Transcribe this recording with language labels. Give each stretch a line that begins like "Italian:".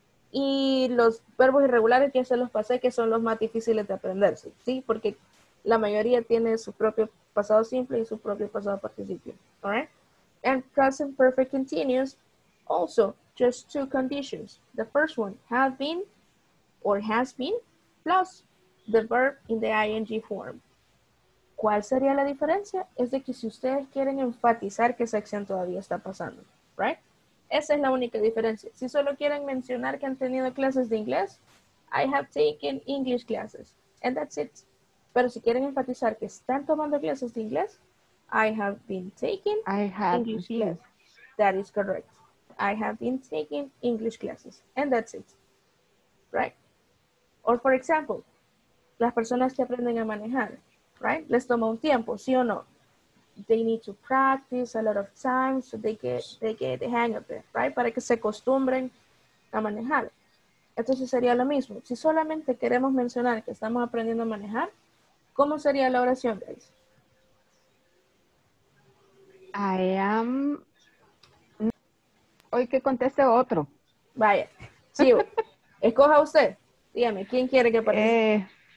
Spanish: Y los verbos irregulares ya se los pasé, que son los más difíciles de aprenderse, ¿sí? Porque la mayoría tiene su propio pasado simple y su propio pasado participio, ¿all right?
English: And present perfect continuous, also, just two conditions. The first one, have been or has been, plus the verb in the ing form.
Spanish: ¿Cuál sería la diferencia? Es de que si ustedes quieren enfatizar que esa acción todavía está pasando, ¿right? Esa es la única diferencia. Si solo quieren mencionar que han tenido clases de inglés,
English: I have taken English classes. And that's it.
Spanish: Pero si quieren enfatizar que están tomando clases de inglés,
English: I have been taking English classes. That is correct. I have been taking English classes. And that's it. Right? Or for example,
Spanish: las personas que aprenden a manejar, right? Les toma un tiempo, ¿sí o no?
English: They need to practice a lot of times so they get the hang of it, right?
Spanish: Para que se acostumbren a manejar. Entonces sería lo mismo. Si solamente queremos mencionar que estamos aprendiendo a manejar, ¿cómo sería la oración, guys?
English: I am...
Spanish: Hoy que conteste otro. Vaya. Sí, escoja usted. Dígame, ¿quién quiere que aparezca?